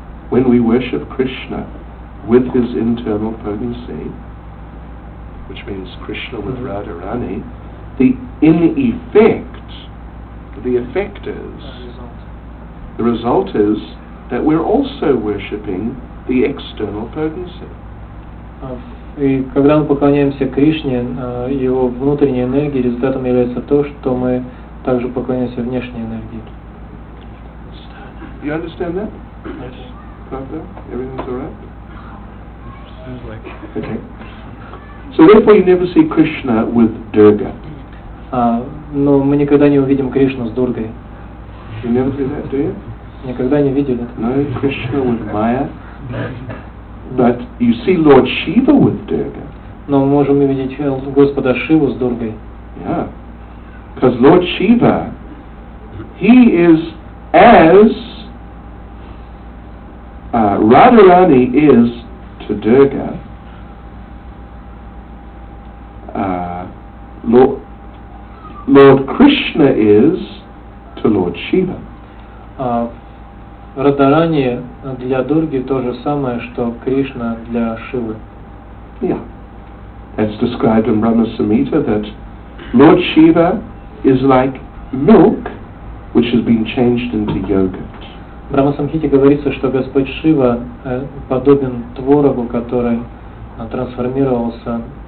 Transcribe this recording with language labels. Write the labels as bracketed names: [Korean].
[English] When we worship Krishna with his internal potency, which means Krishna with Radharani, the result is that we're also worshipping the external potency. [Russian] И когда мы поклоняемся Кришне, его внутренней энергии, результатом является то, что мы также поклоняемся внешней энергии. [English] You understand that? Yes. Perfect. Everything's all right? Seems like. Okay. So therefore you never see Krishna with Durga. [Russian] Но мы никогда не увидим Кришну с Дургой. [English] You never see that, do you? [Russian] Никогда не видели это. [English] No, Krishna with Maya. But you see Lord Shiva with Durga. [Russian] Но мы можем увидеть Господа Шиву с Дургой. [English] Yeah. Because Lord Shiva, he is as Radharani is to Durga. Lord Krishna is to Lord Shiva. [Russian] Радарани для Дурги то же самое, что Кришна для Шивы. [English] Yeah. It's described in Brahma Samhita that Lord Shiva is like milk which has been changed into yogurt. [Russian] В Брахма Самхите говорится, что Господь Шива подобен творогу, который трансформировался